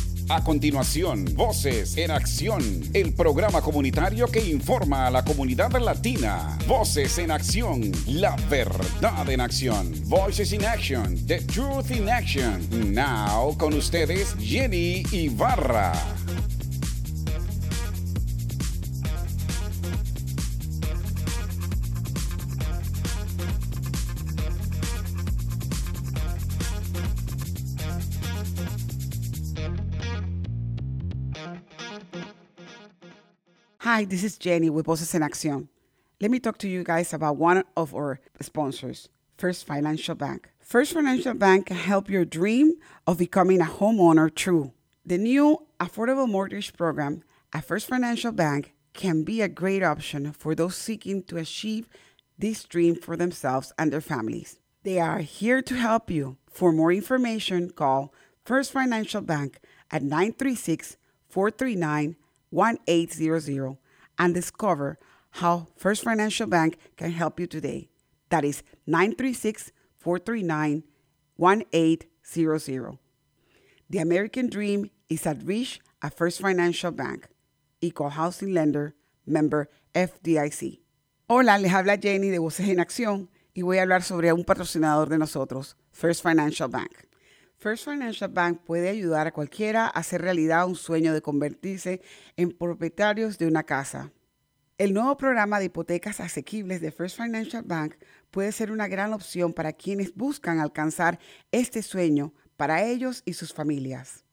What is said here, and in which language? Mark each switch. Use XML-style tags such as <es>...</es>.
<es>A continuación, Voces en Acción, el programa comunitario que informa a la comunidad latina. Voces en Acción, la verdad en acción.</es> <en>Voices in Action, the truth in action.</en> <es>Now, con ustedes, Jenny Ibarra.</es> <en>Hi, this is Jenny with Voces en Acción. Let me talk to you guys about one of our sponsors, First Financial Bank. First Financial Bank can help your dream of becoming a homeowner true. The new affordable mortgage program at First Financial Bank can be a great option for those seeking to achieve this dream for themselves and their families. They are here to help you. For more information, call First Financial Bank at 936-439-1800 and discover how First Financial Bank can help you today. That is 936-439-1800. The American dream is at reach at First Financial Bank, Equal Housing Lender, member FDIC.</en> <es>Hola, les habla Jenny de Voces en Acción y voy a hablar sobre un patrocinador de nosotros, First Financial Bank. First Financial Bank puede ayudar a cualquiera a hacer realidad un sueño de convertirse en propietarios de una casa. El nuevo programa de hipotecas asequibles de First Financial Bank puede ser una gran opción para quienes buscan alcanzar este sueño para ellos y sus familias.</es>